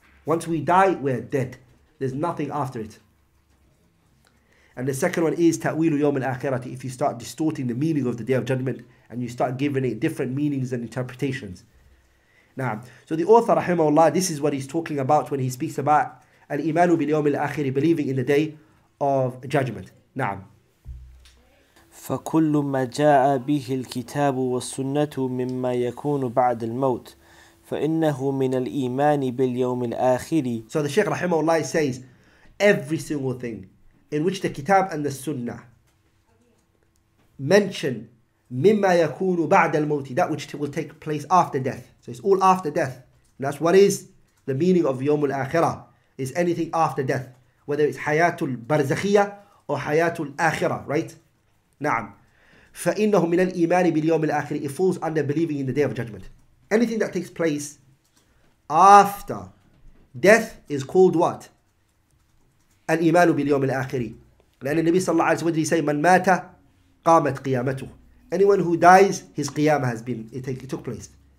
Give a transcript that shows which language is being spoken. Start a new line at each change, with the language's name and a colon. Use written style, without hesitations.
English: Once we die, we're dead. There's nothing after it. And the second one is Ta'wilu Yawm Al-Akhirati. If you start distorting the meaning of the Day of Judgment and you start giving it different meanings and interpretations. Now, so the author, rahimahullah, this is what he's talking about when he speaks about Al-Imanu Bil Yawm Al-Akhiri, believing in the Day of Judgment. Now,
Arabic: فكل ما جاء به الكتاب والسنة مما يكون بعد الموت فإنه من الإيمان باليوم الآخر.
English: So the Sheikh رحمه الله says every single thing in which the Kitab and the Sunnah mention
Arabic: مما يكون بعد الموت,
English: that which will take place after death. So it's all after death. And that's what is the meaning of يوم الآخرة, is anything after death, whether it's
Arabic: حياة البرزخية
English: or
Arabic: حياة الآخرة,
English: right? نعم.
Arabic: فإنه من الإيمان باليوم الآخر.
English: It falls under believing in the Day of Judgment. Anything that takes place after death is called what?
Arabic: الإيمان باليوم الآخر. لأن النبي صلى الله عليه وسلم يقول من مات قامت قيامته.
English: Anyone who dies, his qiyamah has been, it took place.